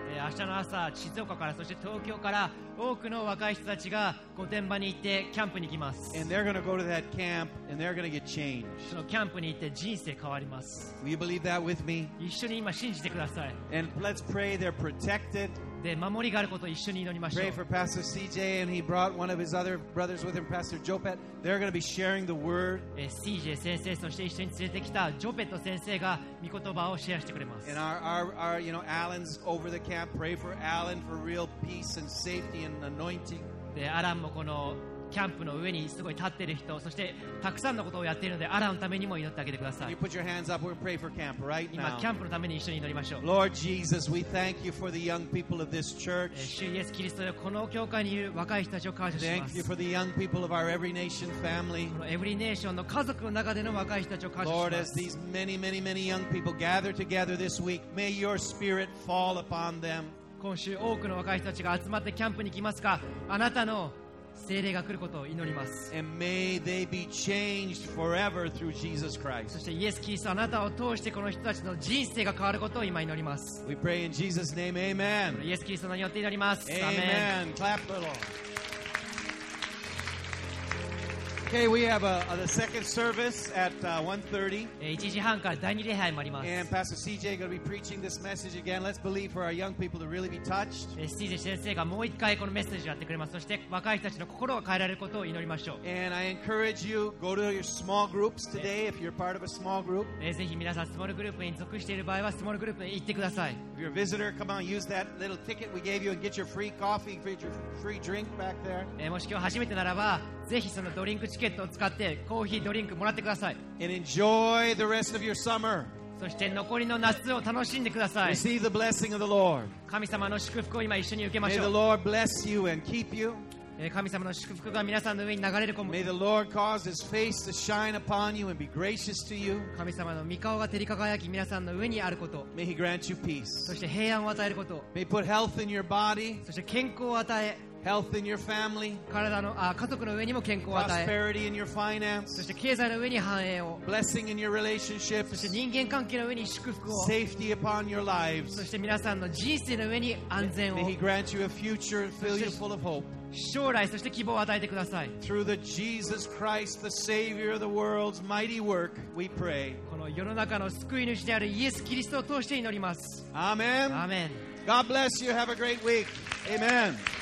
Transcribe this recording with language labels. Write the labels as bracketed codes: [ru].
[ja] 明日の朝、静岡からそして東京から多くの若い人たちが御殿場に行ってキャンプに行きます。 [en] And they're going to go to that camp and they're going to get changed. [ja] そのキャンプに行って人生変わります。 [en] Will you believe that with me? [ja] 一緒に今信じてください。 [en] And let's pray they're protected. [ja] で守りがあることを一緒に祈りましょう。 [en] Pray for Pastor CJ and he brought one of his other brothers with him, Pastor Jopet. They're going to be sharing the word. [ja] CJ 先生そして一緒に連れてきたジョペット先生が御言葉をシェアしてくれます。 [en] And our you know, Alan's over the camp. Pray for Alan for real peace and safety and anointing. [ja] でアランもこのキャンプの上にすごい立っている人、そしてたくさんのことをやっているので、アランのためにも祈ってあげてください。 [en] You put your hands up. We'll pray for camp right now. [ja] 今キャンプのために一緒に祈りましょう。 [en] Lord Jesus, we thank you for the young people of this church. [ja] 主イエスキリストよ、この教会にいる若い人たちを感謝します。 [en] Thank you for the young people of our every nation family. [ja] このエブリネーションの家族の中での若い人たちを感謝します。 [en] Lord, as these many, many, many young people gather together this week, may your spirit fall upon them. [ja] 今週多くの若い人たちが集まってキャンプに来ますか、あなたの聖霊が来ることを祈ります。 [en] And may they be changed forever through Jesus Christ. [ja] そしてイエス・キリストあなたを通してこの人たちの人生が変わることを今祈ります。 [en] We pray in Jesus' name, Amen. [ja] イエス・キリストによって祈ります。 [en] Amen. Clap a little. Okay, we have the second service at 1:30. [ja] 1時半から第二礼拝もあります。 [en] And Pastor CJ is going to be preaching this message again. Let's believe for our young people to really be touched. [ja] CJ 先生がもう一回このメッセージをやってくれます。そして若い人たちの心を変えられることを祈りましょう。 [en] And I encourage you, go to your small groups today if you're part of a small group. [ja] ぜひ皆さんスモールグループに属している場合はスモールグループに行ってください。 [en] If you're a visitor, come on, use that little ticket we gave you and get your free coffee, get your free drink back there. [ja] もし今日初めてならばぜひそのドリンクチケットを使ってコーヒードリンクもらってください。 [en] And enjoy the rest of your summer. [ja] そして残りの夏を楽しんでください。 [en] Receive the blessing of the Lord. [ja] 神様の祝福を今一緒に受けましょう。 [en] May the Lord bless you and keep you. [ja] 神様の祝福が皆さんの上に流れる。 [en] May the Lord cause his face to shine upon you and be gracious to you. [ja] 神様の御顔が照り輝き皆さんの上にあること。 [en] May he grant you peace. [ja] そして平安を与えること。 [en] May he put health in your body. [ja] そして健康を与え [en] Health in your family. [ja] 体の、あ、家族の上にも健康を与え。 [en] Prosperity in your finance. [ja] そして経済の上に繁栄を。 [en] Blessing in your relationships. [ja] そして人間関係の上に祝福を。 [en] Safety upon your lives. [ja] そして皆さんの人生の上に安全を。 [en] May he grant you a future fill you full of hope. [ja] 将来そして希望を与えてください。 [en] Through the Jesus Christ, the Savior of the world's mighty work, we pray. [ja] この世の中の救い主であるイエス・キリストを通して祈ります。 [en] Amen. Amen. God bless you. Have a great week. Amen.